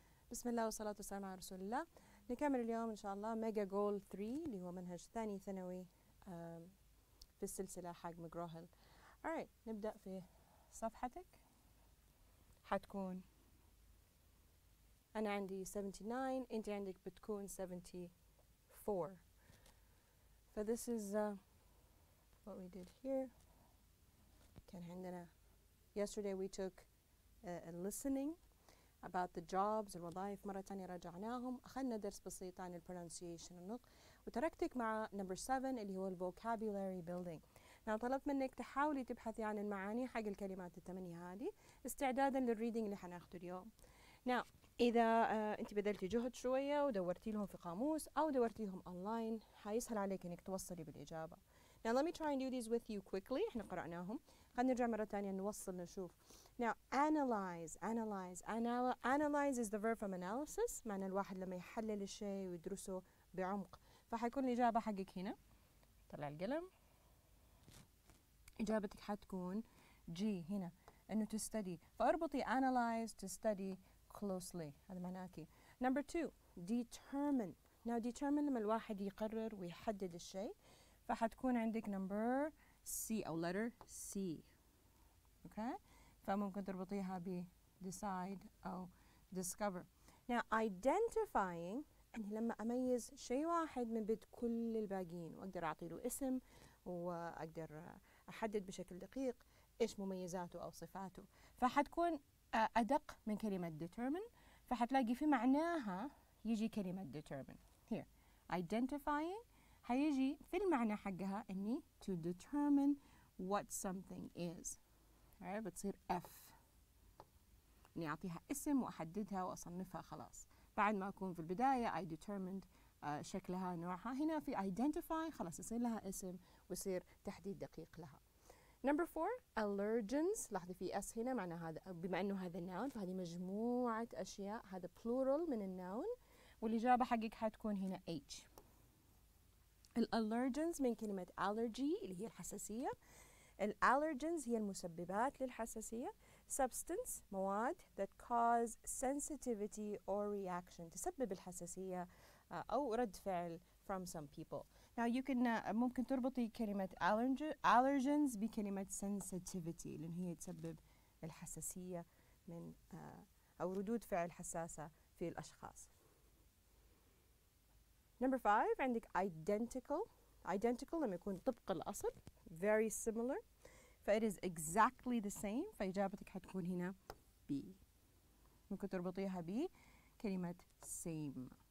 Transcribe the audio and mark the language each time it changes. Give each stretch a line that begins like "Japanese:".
Arabic: بسم الله والصلاة والسلام على رسول الله. نكمل اليوم إن شاء الله ميجا جول 3 اللي هو منهج ثاني ثانوي في السلسلة حق مجراهل.
English: Alright،
Arabic: نبدأ في صفحتك. حتكون أنا عندي 79، أنت عندك بتكون 74.
English: فthis is what we did here.
Arabic: كان عندنا
English: yesterday we took a listening about the jobs,
Arabic: الوظائف. مرة تانية رجعناهم، أخذنا درس بسيط عن pronunciation النطق، وتركتك مع number 7 اللي هو vocabulary building. نعم، طلبت منك تحاولي تبحثي عن المعاني حق الكلمات الثمانية هذه استعدادا للريدنج اللي حناخده اليوم. نعم، إذا أنت بذلتي جهد شوية ودورتي لهم في قاموس أو دورتيهم أونلاين حيسهل عليك أنك توصلي بالإجابة.
English: Now let me try and do these with you quickly.
Arabic: إحنا قرأناهم. خلنا نرجع مرة تانية نوصل نشوف.
English: Now analyze is the verb from analysis.
Arabic: معنى الواحد لما يحلل الشيء ويدرسه بعمق. فحيكون الإجابة حقك هنا. طلع القلم. إجابتك حتكون G هنا.
English: إنه to study. فأربطي analyze to study closely.
Arabic: هذا معناك.
English: Number two, determine.
Arabic: Now determine لما الواحد يقرر ويحدد الشيء. فحتكون عندك number C أو letter C. Okay؟ فممكن تربطيها ب decide أو discover. Now identifying أني لما أميز شيء واحد من بيت كل الباقيين وأقدر أعطي له اسم وأقدر أحدد بشكل دقيق إيش مميزاته أو صفاته. فحتكون أدق من كلمة determine، فحتلاقي في معناها يجي كلمة determine.
English: Here identifying
Arabic: هيجي في المعنى حقها إني
English: to determine what something is. Alright،
Arabic: بتصير F. إني أعطيها اسم وأحددها وأصنفها خلاص. بعد ما أكون في البداية
English: I determined
Arabic: شكلها نوعها، هنا في identify خلاص يصير لها اسم ويصير تحديد دقيق لها.
English: Number four, allergens.
Arabic: لاحظي في S هنا معنى هذا، بما أنه هذا noun فهذه مجموعة أشياء، هذا plural من النون، والإجابة حقك حتكون هنا H. الallergens من كلمة allergy اللي هي الحساسية. الallergens هي المسببات للحساسية.
English: Substance مواد that cause sensitivity or reaction،
Arabic: تسبب الحساسية أو رد فعل
English: from some people. Now you can
Arabic: ممكن تربطي كلمة allergens بكلمة sensitivity لأن هي تسبب الحساسية من أو ردود فعل حساسة في الأشخاص.
English: Number five عندك identical.
Arabic: Identical لما يكون طبق الأصل.
English: Very similar. فIt is exactly the same.
Arabic: فإجابتك حتكون هنا B. ممكن تربطيها ب كلمة same.